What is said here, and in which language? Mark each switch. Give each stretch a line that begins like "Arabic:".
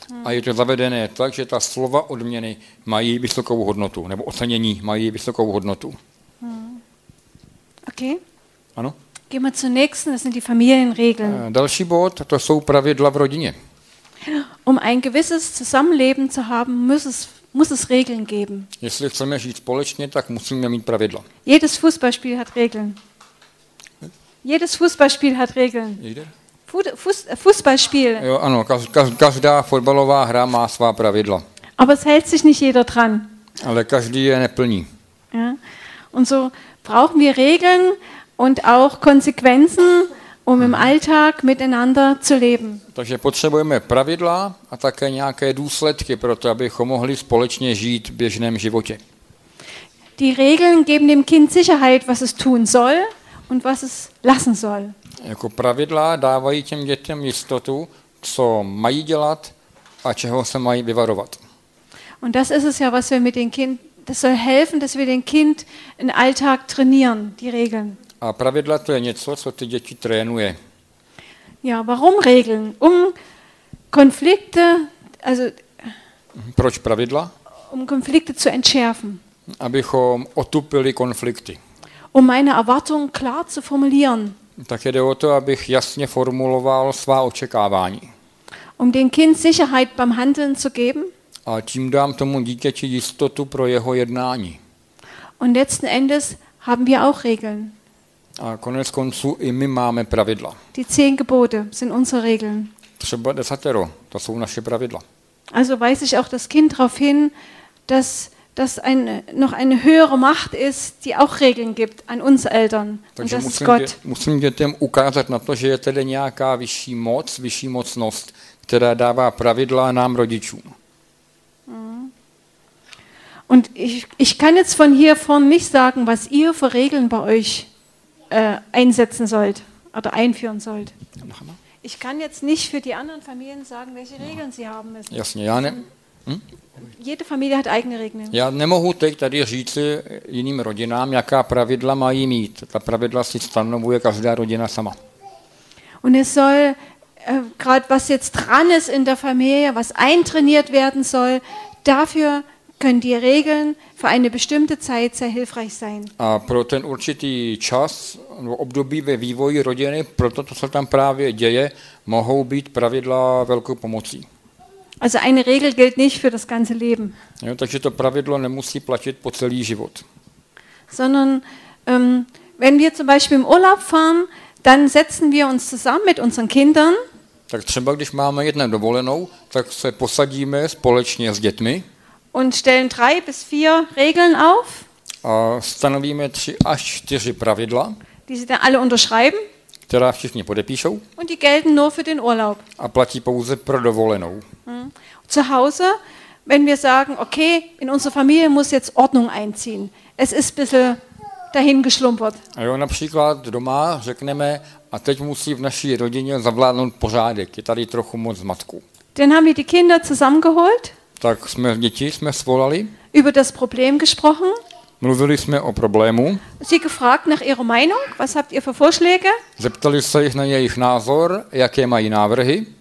Czech: A je to zavedené tak, že ta slova odměny mají vysokou hodnotu, nebo ocenění mají vysokou hodnotu. Okay. Ano.
German: Gehen wir zum nächsten, das sind die Familienregeln.
Czech: Další bod, to jsou pravidla v rodině.
German: Um ein gewisses Zusammenleben zu haben, muss es Regeln geben.
Czech: Jestli chceme žít společně, tak musíme mít pravidla.
German: Jedes Fußballspiel hat Regeln. Jedes Fußballspiel hat Regeln. Fußballspiel.
Czech: Jo, ano, každá fotbalová hra má svá pravidla.
German: Aber es hält sich nicht jeder dran.
Czech: Ale každý je neplní.
German: Ja. Und so brauchen wir Regeln und auch Konsequenzen, um im Alltag miteinander zu leben.
Czech: Takže potřebujeme pravidla a také nějaké důsledky pro to, abychom mohli společně žít v běžném životě.
German: Die Regeln geben dem Kind Sicherheit, was es tun soll und was es lassen soll.
Czech: Jako pravidla dávají těm dětem jistotu, co mají dělat a čeho se mají vyvarovat.
German: Und das ist es ja, was wir mit den Kind das soll helfen, dass wir den Kind in Alltag trainieren, die Regeln.
Czech: A pravidla to je něco, co ty děti trénuje.
German: Ja, warum Regeln? Um Konflikte, also
Czech: proč pravidla?
German: Um Konflikte zu entschärfen.
Czech: Abychom otupili konflikty.
German: Um meine Erwartungen klar zu formulieren.
Czech: Tak jde o to, abych jasně formuloval svá očekávání.
German: Um dem Kind Sicherheit beim Handeln zu geben.
Czech: A tím dám tomu dítěti jistotu pro jeho jednání.
German: Und letzten Endes haben wir auch Regeln.
Czech: A konec konců i my máme pravidla.
German: Die 10 Gebote sind unsere Regeln.
Czech: Třeba 10, to jsou naše pravidla.
German: Also weise ich auch das Kind darauf hin, dass noch eine höhere Macht ist, die auch Regeln gibt an uns Eltern.
Czech: Takže
German: und das ist Gott.
Czech: Musím dětem ukázat na to, že je tedy nějaká vyšší moc, vyšší mocnost, která dává pravidla nám rodičům.
German: Und ich kann jetzt von hier vorne nicht sagen, was ihr für Regeln bei euch einsetzen sollt oder einführen sollt. Ich kann jetzt nicht für die anderen Familien sagen, welche Regeln sie haben müssen.
Czech: Jasně, já ne.
German: Jede Familie hat eigene Regeln.
Czech: Já nemohu teď tady říct jiným rodinám, jaká pravidla mají mít. Ta pravidla si stanovuje každá rodina sama.
German: Und es soll gerade was jetzt dran ist in der Familie, was eintrainiert werden soll, dafür können die Regeln für eine bestimmte Zeit sehr hilfreich sein.
Czech: A pro ten určitý čas nebo období ve vývoji rodiny, proto to, co tam právě děje, mohou být pravidla velkou pomocí.
German: Also eine Regel gilt nicht für das ganze Leben.
Czech: Jo, takže to pravidlo nemusí platit po celý život.
German: Sondern wenn wir zum Beispiel im Urlaub fahren, dann setzen wir uns zusammen mit unseren Kindern.
Czech: Tak třeba když máme jednu dovolenou, tak se posadíme společně s dětmi.
German: Und stellen 3 bis 4 Regeln auf.
Czech: A stanovíme 3 až 4 pravidla.
German: Die sie dann alle unterschreiben.
Czech: Která všichni podepíšou.
German: Und die gelten nur für den Urlaub.
Czech: A platí pouze pro dovolenou.
German: Zu Hause, wenn wir sagen, okay, in unsere Familie muss jetzt Ordnung einziehen. Es ist ein bisschen dahin geschlumpert.
Czech: A jo, například doma řekneme, a teď musí v naší rodině zavládnout pořádek. Je tady trochu moc zmatku.
German: Dann haben wir die Kinder zusammengeholt.
Czech: Tak jsme děti jsme svolali.
German: Über das Problem gesprochen.
Czech: Mluvili jsme o problému.
German: Sie gefragt nach ihrer Meinung, was habt ihr für Vorschläge?
Czech: Zeptali se jich na jejich názor, jaké mají návrhy.